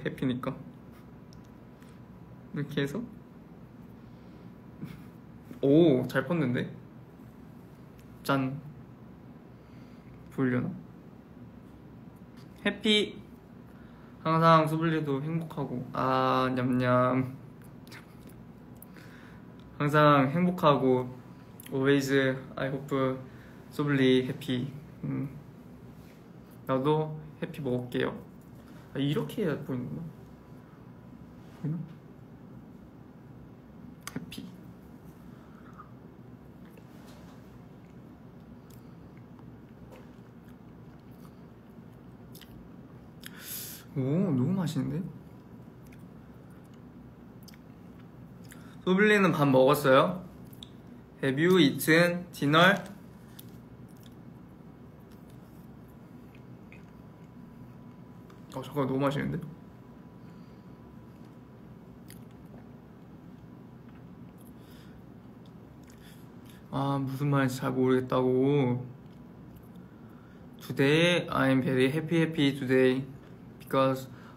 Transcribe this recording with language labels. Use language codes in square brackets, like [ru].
[ko] 해피니까. 이렇게 해서. 오, 잘 펐는데? 짠. 보이려나? 해피! 항상 소블리도 행복하고. 아, 냠냠. 항상 행복하고 [en] always I hope Sobli happy. [ko] 나도 해피 먹을게요. 아, 이렇게 해야 보이는구나. 오, 너무 맛있는데? 소블리는 밥 먹었어요? [en] Have you eaten dinner? [ko] 잠깐 너무 맛있는데? 아, 무슨 말인지 잘 모르겠다고. [en] Today, I'm very happy today because